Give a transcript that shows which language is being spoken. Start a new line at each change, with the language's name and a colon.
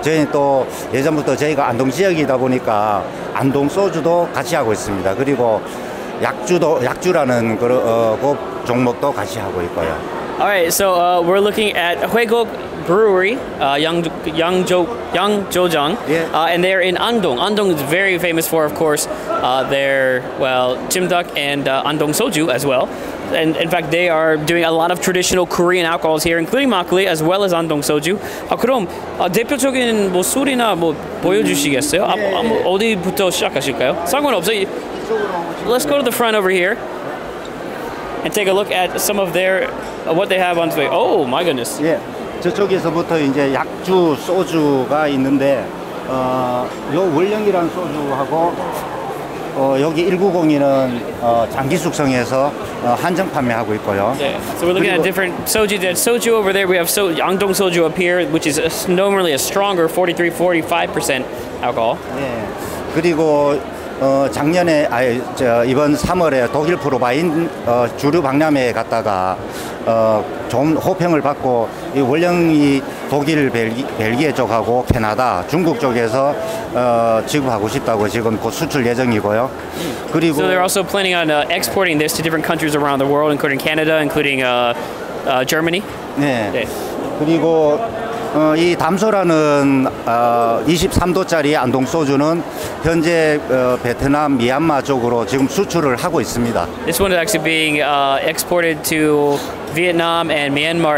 Korean: 저희는 또 예전부터 저희가 안동 지역이다 보니까 안동 소주도 같이 하고 있습니다. 그리고 약주라는 그 종목도 같이 하고 있고요.
English: Alright, so we're looking at Huegok Brewery, Yangjojang, yeah. And they're in Andong. Andong is very famous for, of course, their, well, Jimduk and Andong Soju as well. And in fact, they are doing a lot of traditional Korean alcohols here, including Makgeolli as well as Andong Soju.
Korean: 그럼 대표적인 뭐 술이나 뭐 보여주시겠어요? 어디부터 시작하실까요? 상관없어요.
English: Let's go to the front over here and take a look at some of their what they have on display. Oh my goodness.
Korean: 예. 저쪽에서부터 이제 약주 소주가 있는데 요 월령이란 소주하고 여기 190이는 장기 숙성해서 한정 판매하고 있고요.
English: Yeah. So we're looking at different soju. There's soju over there. We have so Yangdong soju up here which is normally a stronger 43-45% alcohol.
Korean: 예. 그리고 작년에 이번 3월에 독일 프로바인 주류 박람회에 갔다가 좀 호평을 받고 이 원령이 독일 벨기에 쪽하고 캐나다 중국 쪽에서 지급하고 싶다고 지금 곧 수출 예정이고요. 그리고
English: So they're also planning on exporting this to different countries around the world including Canada including Germany.
Korean: 네. 네. 그리고 이 담소라는 23도짜리 안동 소주는 현재 베트남, 미얀마 쪽으로 지금 수출을 하고 있습니다.
English: This one is actually being exported to Vietnam and Myanmar.